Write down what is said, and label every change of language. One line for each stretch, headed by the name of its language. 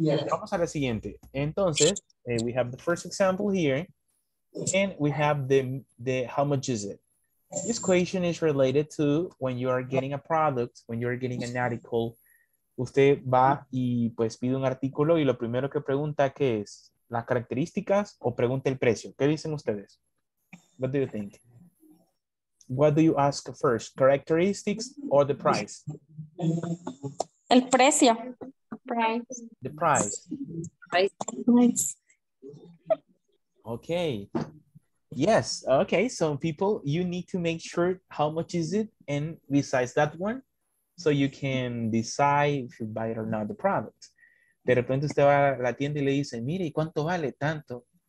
Spanish: Vamos a la siguiente. Entonces,
English: we have the first example here. And we have the how much is it? This question is related to when you are getting a product, when you are getting an article.
Spanish: Usted va y pues pide un artículo y lo primero que pregunta, ¿qué es? ¿Las características o pregunta el precio? ¿Qué dicen ustedes?
English: What do you think? What do you ask first, characteristics or the price?
Spanish: El precio.
English: Price. The price. Price. Okay. Yes, okay, so people, you need to make sure how much is it and besides that one, so you can decide if you buy it or not the product.
Spanish: De repente usted va a la tienda y le dice, mire, ¿cuánto vale tanto?